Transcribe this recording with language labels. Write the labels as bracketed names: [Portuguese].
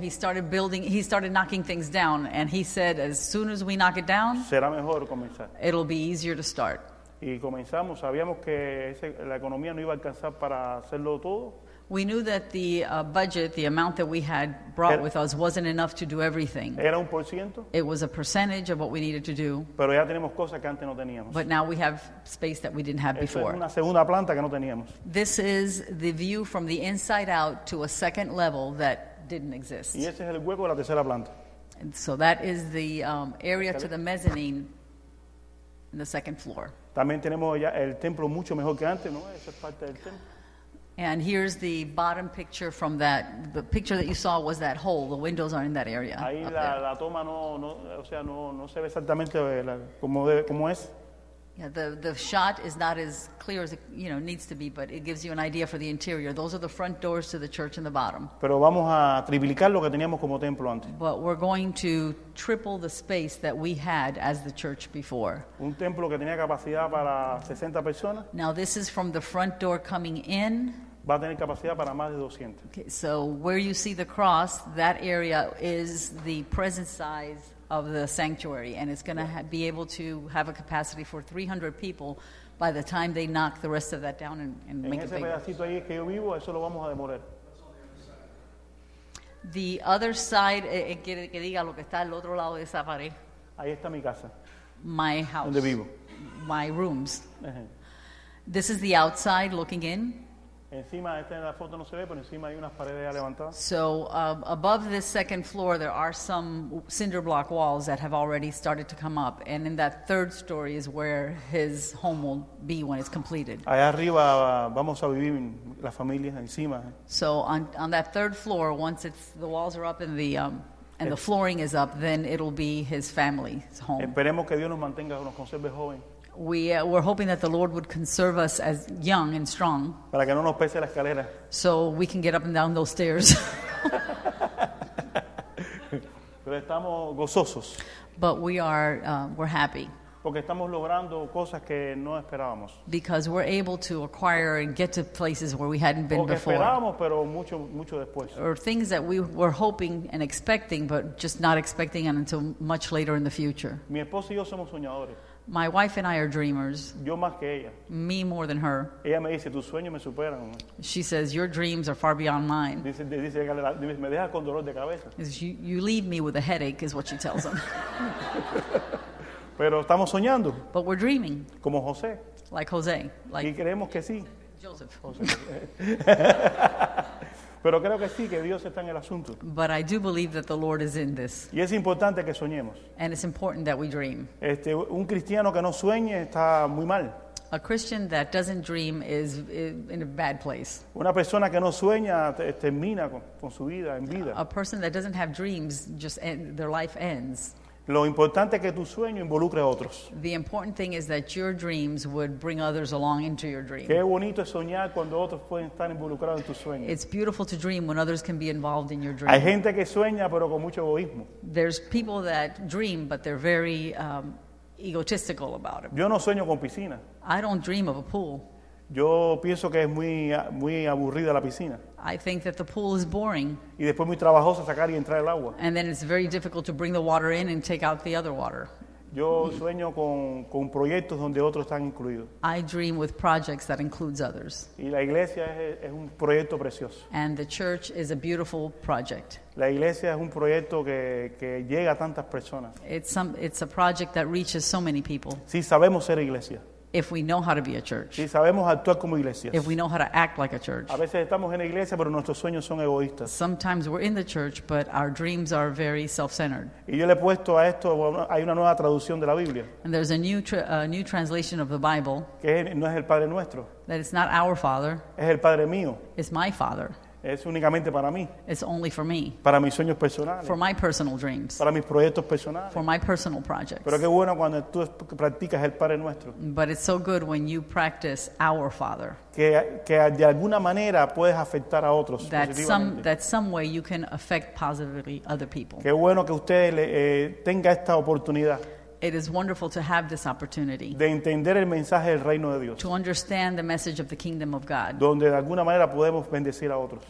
[English] he started building, he started knocking things down, and he said, as soon as we knock it down, [Spanish] será mejor comenzar. [English] It'll be easier to start. [Spanish] Y comenzamos, sabíamos que la economía no iba a alcanzar para hacerlo todo. [English] We knew that the budget, the amount that we had brought with us, wasn't enough to do everything. [Spanish] Era un por ciento. [English] It was a percentage of what we needed to do. [Spanish] Pero ya tenemos cosas que antes no teníamos. [English] But now we have space that we didn't have [Spanish] esto [English] before. [Spanish] Es una segunda planta que no teníamos. [English] This is the view from the inside out to a second level that didn't exist. [Spanish] Y ese es el hueco de la tercera planta. [English] And so that is the area to the mezzanine in the second floor. [Spanish] También tenemos ya el templo mucho mejor que antes, ¿no? Esa es parte del templo. [English] And here's the bottom picture from that. The picture that you saw was that hole. The windows are in that area. [Spanish] Ahí la toma no se ve exactamente como es. [English] Yeah, the shot is not as clear as it, you know, needs to be, but it gives you an idea for the interior. Those are the front doors to the church in the bottom. [Spanish] Pero vamos a triplicar lo que teníamos como templo antes. [English] But we're going to triple the space that we had as the church before. [Spanish] Un templo que tenía capacidad para 60 personas. [English] Now this is from the front door coming in. [Spanish] Va a tener capacidad para más de 200. [English] Okay, so where you see the cross, that area is the present size of the sanctuary, and it's going to be able to have a capacity for 300 people by the time they knock the rest of that down and make [Spanish] ese [English] it bigger. [Spanish] Pedacito ahí que yo vivo, eso lo vamos a demoler. [English] The other side, [Spanish] que diga lo que está al otro lado de esa pared. Ahí está mi casa. [English] My house. [Spanish] Donde vivo. [English] My rooms. This is the outside looking in. [Spanish] Encima, esta en la foto no se ve, pero encima hay unas paredes ya levantadas. [English] So, above this second floor, there are some cinder block walls that have already started to come up. And in that third story is where his home will be when it's completed. [Spanish] Allá arriba vamos a vivir la familia encima. [English] So, on that third floor, once it's the walls are up and the flooring is up, then it'll be his family's home. [Spanish] Esperemos que Dios nos mantenga, nos conserve joven. [English] We're hoping that the Lord would conserve us as young and strong. [Spanish] Para que no nos pese la escalera. [English] So we can get up and down those stairs. [Spanish] Pero estamos gozosos. [English] But we are we're happy. [Spanish] Porque estamos logrando cosas que no esperábamos. [English] Because we're able to acquire and get to places where we hadn't been before. [Spanish] Porque esperábamos, pero mucho, mucho después. [English] Or things that we were hoping and expecting, but just not expecting until much later in the future. [Spanish] Mi esposo y yo somos soñadores. [English] My wife and I are dreamers. [Spanish] Yo más que ella. [English] Me more than her. [Spanish] Ella me dice, tus sueños me superan. [English] She says, your dreams are far beyond mine. [Spanish] Dice, me deja con dolor de cabeza. [English] You leave me with a headache, is what she tells him. [Spanish] Pero estamos soñando. [English] But we're dreaming. [Spanish] Como José. [English] Like José. Like [Spanish] y creemos que sí. [English] Joseph. [Spanish] Pero creo que sí, que Dios está en el asunto. [English] But I do believe that the Lord is in this. [Spanish] Y es importante que soñemos. [English] And it's important that we dream. [Spanish] Un cristiano que no sueñe está muy mal. [English] A Christian that doesn't dream is in a bad place. [Spanish] Una persona que no sueña termina con su vida en vida. [English] A person that doesn't have dreams, just their life ends. [Spanish] Lo importante es que tu sueño involucre a otros. [English] The important thing is that your dreams would bring others along into your dream. [Spanish] Qué bonito es soñar cuando otros pueden estar involucrados en tu sueño. [English] It's beautiful to dream when others can be involved in your dream. [Spanish] Hay gente que sueña pero con mucho egoísmo. [English] There's people that dream but they're very egotistical about it. [Spanish] Yo no sueño con piscina. [English] I don't dream of a pool. [Spanish] Yo pienso que es muy muy aburrida la piscina. [English] I think that the pool is boring. [Spanish] Y después muy trabajoso sacar y entrar el agua. [English] And then it's very difficult to bring the water in and take out the other water. [Spanish] Yo sueño con proyectos donde otros están incluidos. [English] I dream with projects that includes others. [Spanish] Y la iglesia es un proyecto precioso. [English] And the church is a beautiful project. [Spanish] La iglesia es un proyecto que llega a tantas personas. [English] It's a project that reaches so many people. [Spanish] Sí, sabemos ser iglesia. [English] If we know how to be a church. [Spanish] Si sabemos actuar como iglesias. [English] If we know how to act like a church. [Spanish] A veces estamos en la iglesia, pero nuestros sueños son egoístas. [English] Sometimes we're in the church, but our dreams are very self-centered. [Spanish] Y yo le he puesto a esto, hay una nueva traducción de la Biblia. [English] And there's a new translation of the Bible. [Spanish] Que no es el Padre nuestro. [English] That it's not our Father. [Spanish] Es el Padre mío. [English] It's my Father. [Spanish] Es únicamente para mí. [English] It's only for me. [Spanish] Para mis sueños personales. [English] For my personal dreams. [Spanish] Para mis proyectos personales. [English] For my personal projects. [Spanish] Pero qué bueno cuando tú practicas el Padre Nuestro. [English] But it's so good when you practice our Father. [Spanish] Que de alguna manera puedes afectar a otros [English] that some way you can affect positively other people. [Spanish] Qué bueno que usted tenga esta oportunidad. [English] It is wonderful to have this opportunity. [Spanish] De entender el mensaje del reino de Dios. [English] To understand the message of the kingdom of God. [Spanish] Donde de alguna manera podemos bendecir a otros.